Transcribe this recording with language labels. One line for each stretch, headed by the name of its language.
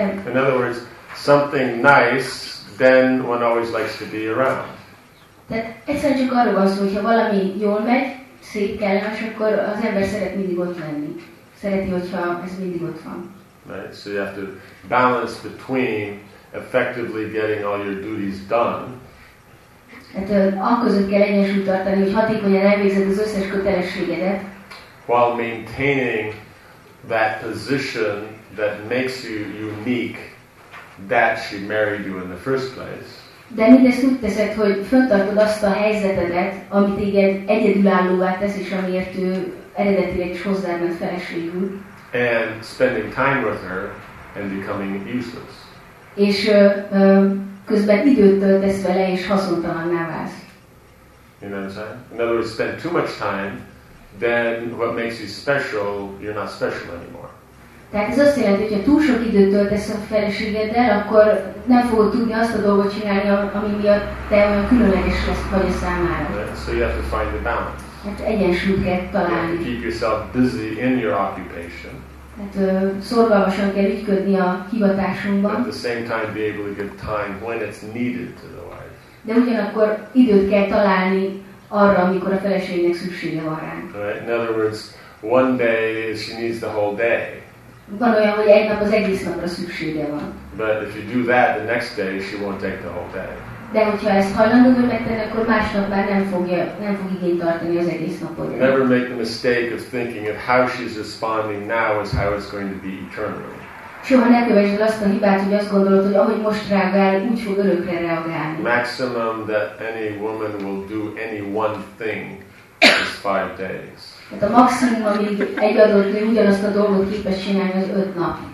English: In other words, something nice, then one always likes to be around.
Hungarian: Tehát egyszerűen csak arról van szó, hogyha valami jól megy, szép, kellemes, akkor az ember szeret mindig ott lenni. Szereti, hogyha ez mindig ott van.
English: Right, so you have to balance between effectively getting all your duties done.
Hungarian: Tehát akközött kell egyensúlyt tartani, hogy hatékonyan elvégzed az összes kötelességedet.
English: While maintaining that position that makes you unique, that she married you in the first place.
Hungarian: De mindezt úgy teszed, hogy fönntartod azt a helyzetedet, ami téged egyedülállóvá tesz, és amiért ő eredetileg is hozzád ment feleségül.
English: And spending time with her and becoming useless.
Hungarian: És közben időt töltesz vele, és haszontalanná válsz.
English: You know what I'm saying? In other words, spend too much time, then what makes you special, you're not special anymore.
Hungarian: Tehát ez azt jelenti, hogy ha túl sok időt töltesz a feleségeddel, akkor nem fogod tudni azt a dolgot csinálni, ami miatt te olyan különleges vagy a számára.
English: So you have to find the balance.
Hungarian: Hát egyensúlyt kell találni.
English: You keep yourself busy in your occupation.
Hungarian: Tehát szorgalmasan kell ügyködni a hivatásunkban.
English: At the same time be able to give time when it's needed to the wife.
Hungarian: De ugyanakkor időt kell találni arra, amikor a feleségnek szüksége van rá.
English: Right? In other words, one day she needs the whole day.
Hungarian: Van olyan, hogy egy nap az egész napra szüksége van.
English: But if you do that, the next day she won't take the whole day.
Hungarian: De hogyha ezt hajlandó ő megtenni, akkor másnap már nem fog igényt tartani az egész napot.
English: Never make the mistake of thinking of how she's responding now is how it's going to be eternally.
Hungarian: Soha ne kövessd azt a hibát, hogy azt gondolod, hogy ahogy most reagál, úgy fog örökre reagálni.
English: Maximum that any woman will do any one thing is 5 days.
Hungarian: Tehát a maximum, amíg egy adott nő ugyanazt a dolgot képes csinálni, az 5 nap.